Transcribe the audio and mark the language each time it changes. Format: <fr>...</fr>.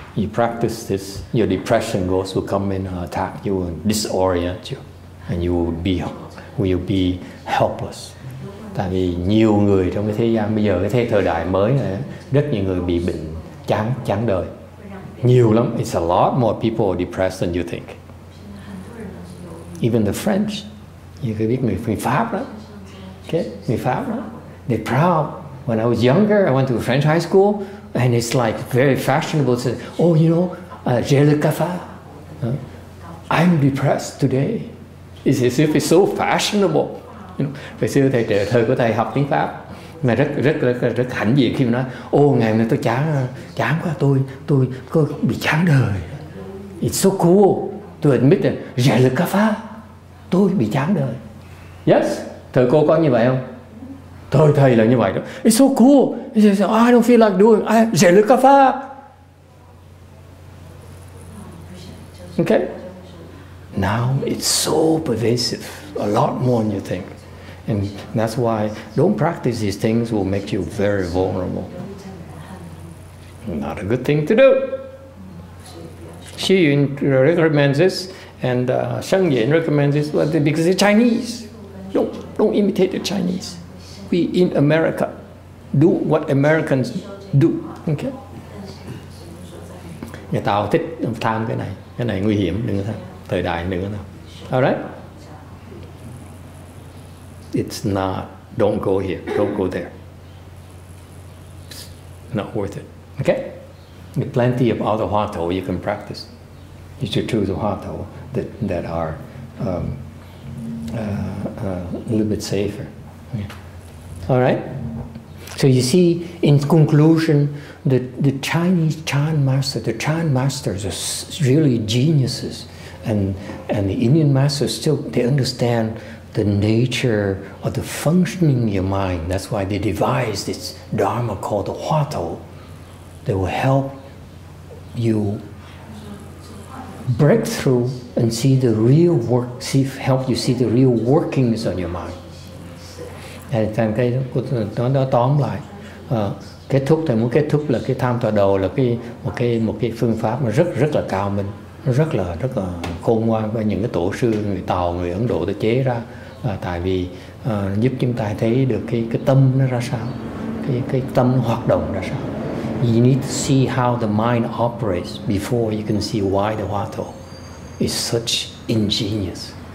<en>You practice this, your depression ghost will come in and attack you and disorient you. And you will be helpless.</en> <vi>Tại vì nhiều người trong cái thế gian, bây giờ cái thời đại mới này, rất nhiều người bị bệnh chán đời. Nhiều lắm.</vi> <en>It's a lot more people are depressed than you think. Even the French. You can</en> <vi>biết người Pháp đó. Okay, người Pháp đó.</vi> <en>They're proud. When I was younger, I went to a French high school, and it's like very fashionable to say, oh, you know,</en> <fr>j'ai le café.</fr> <en>I'm depressed today. It's as if it's so fashionable. You know,</en> <vi>ngày xưa thầy thời của thầy học tiếng Pháp, ngài rất hãnh diện khi mà nói, ô ngày nay tôi chán quá, tôi có bị chán đời.</vi> <en>It's so cool.</en> <vi>Tôi</vi> <en>admit that</en> <vi>rẻ lực cà phá, tôi bị chán đời. Yes, thời cô có như vậy không? Thời thầy là như vậy đó.</vi> <en>It's so cool. He says, I don't feel like doing. I rẻ lực cà phá. Okay. Now it's so pervasive, a lot more than you think. And that's why don't practice these things will make you very vulnerable. Not a good thing to do. Xu Yun recommends this, and Sheng Yan recommends this, but because they're Chinese. Don't imitate the Chinese. We in America do what Americans do. Okay?</en> <vi>Người ta thích tham cái này nguy hiểm, đừng có tham. Thời đại đừng có tham. All right?</vi> <en>It's not, don't go here, don't go there. It's not worth it. Okay? There are plenty of other HuaTou you can practice. You should choose a HuaTou that are a little bit safer. Okay. All right? So you see, in conclusion, the Chinese Chan master, the Chan masters are really geniuses. And the Indian masters still, they understand the nature of the functioning of your mind. That's why they devised this dharma called the HuaTou that will help you break through and see the real work, help you see the real workings on your mind.</en> <vi>Thầy thành cái nó tóm lại kết thúc, thầy muốn kết thúc là cái tham tọa đầu là một cái phương pháp mà rất là cao minh, rất là khôn ngoan, và những cái tổ sư người Tàu, người Ấn Độ đã chế ra, tại vì giúp chúng ta thấy được cái tâm nó ra sao, cái tâm hoạt động ra sao.</vi> <en>You need to see how the mind operates before you can see why the HuaTou is such ingenious.</en>